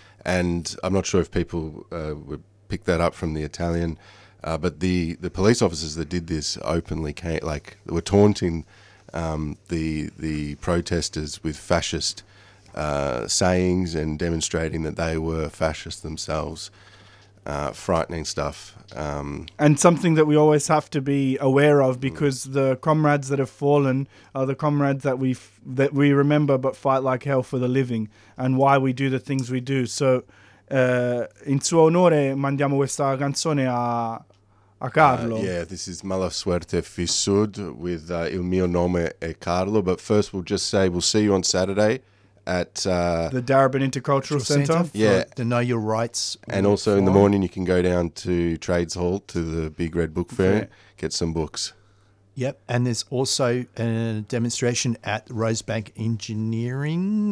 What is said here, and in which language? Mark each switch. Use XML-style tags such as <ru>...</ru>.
<en>And I'm not sure if people would pick that up from the Italian, but the police officers that did this openly came, like, were taunting the protesters with fascist sayings and demonstrating that they were fascist themselves. Frightening stuff. And something that we always have to be aware of, because the comrades that have fallen are the comrades that we remember but fight like hell for the living, and why we do the things we do.</en> <it>So in suo onore mandiamo questa canzone a Carlo.</it> <en>Yeah, this is Mala Suerte Fissud with Il Mio Nome è Carlo. But first we'll just say we'll see you on Saturday at the Darabin Intercultural Centre. Yeah, to know your rights. And also in the morning you can go down to Trades Hall to the Big Red Book Fair, yeah. Get some books. Yep, and there's also a demonstration at Rosebank Engineering.</en>